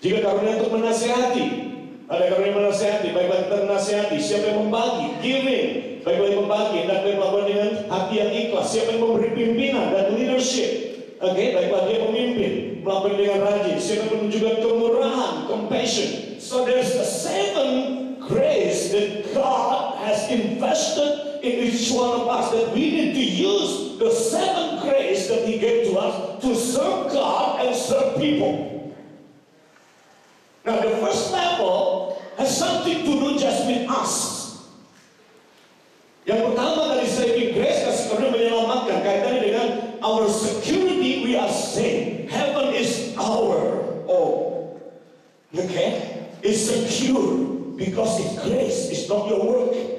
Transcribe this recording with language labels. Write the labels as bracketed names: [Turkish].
[Indonesian] Jika karunia untuk menasihati, ada karunia menasihati, baik-baik kita menasihati. Siapa yang membagi, giving, baik-baik membagi, dan baik-baik melakukan dengan hati yang ikhlas. Siapa yang memberi pimpinan dan leadership, okay? Baik-baik dia memimpin, melakukan dengan rajin. Siapa yang menunjukkan kemurahan, compassion. [English] So there's the seven grace that God has invested in each one of us that we need to use the seven grace that He gave to us to serve God and serve people. Now the first level has something to do just with us. [Indonesian] Yang pertama dari saving grace, kasih karunia menyelamatkan, kaitannya dengan [English] our security, we are safe. Heaven is our own. Okay? It's secure because it's grace, it's not your work.